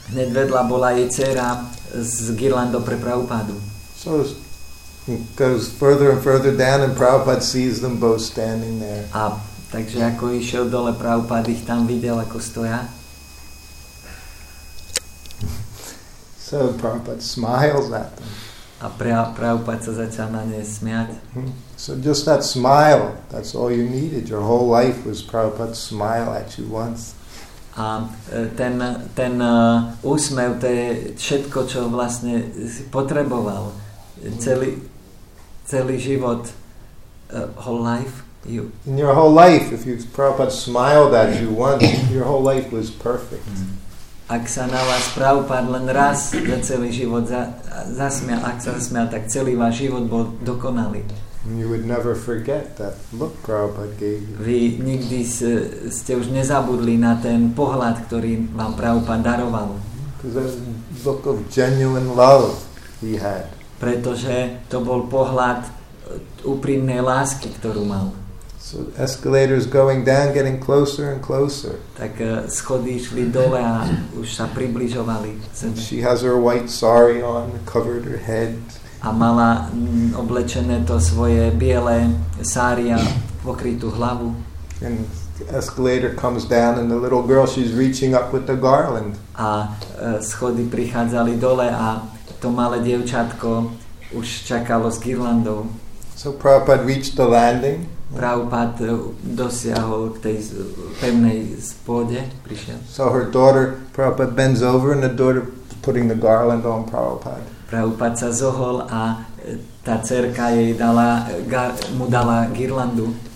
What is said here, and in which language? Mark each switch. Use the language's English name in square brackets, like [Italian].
[Slovak] Hned vedľa bola jej dcera s girlandou pre Prabhupadu. [English] So he goes further and further down and Prabhupada sees them both standing there. [Slovak] A takže ako išiel dole, Prabhupada ich tam videl, ako stoja. [English] So Prabhupada smiles at them. [Slovak] A Prabhupada sa začal na ne smiať. [English] So just that smile, that's all you needed. Your whole life was Prabhupada's smile at you once. [Slovak] A ten úsmev, to je všetko, čo vlastne si potreboval. Celý život, [English] whole life. You. In your whole life, if you Prabhupada smiled at you once, your whole life was perfect. [Slovak] Ak sa na vás Prabhupada len raz za celý život zasmial, ak sa zasmial, tak celý váš život bol dokonalý. [English] You would never forget that look Prabhupada gave you. [Slovak] Vy nikdy ste už nezabudli na ten pohľad, ktorý vám Prabhupada daroval. [English] Because that look of genuine love he had. [Slovak] Pretože to bol pohľad úprimnej lásky, ktorú mal. [English] So escalator is going down, getting closer and closer. [Slovak] Tak schody šli dole a už sa približovali. [English] And she has her white sari on, covered her head. [Slovak] A mala oblečené to svoje biele sari a pokrytú hlavu. [English] And escalator comes down and the little girl, she's reaching up with the garland. [Slovak] A schody prichádzali dole a to malé dievčatko už čakalo s girlandou. [English] So Prabhupada reached the landing. [Slovak] Prabhupada dosiahol k tej pevnej spode, prišiel. [English] So her daughter, Prabhupada bends over and the daughter putting the garland on Prabhupada. [Slovak] Prabhupada sa zohol a tá dcerka jej dala, mu dala girlandu.